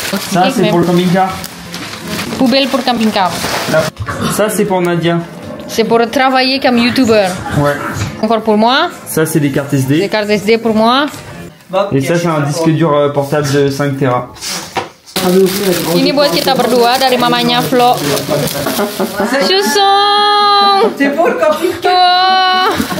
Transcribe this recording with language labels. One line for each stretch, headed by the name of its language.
French: Ça, c'est pour le camping-car. Poubelle pour camping-car. Ça, c'est pour Nadia. C'est pour travailler comme youtubeur. Ouais. Encore pour moi. Ça, c'est des cartes SD. Des cartes SD pour moi. Et ça, c'est un disque dur portable de 5 Tera.
Indonesian: Ini buat kita berdua dari mamanya Flo. Chuson.
French: C'est pour le camping-car.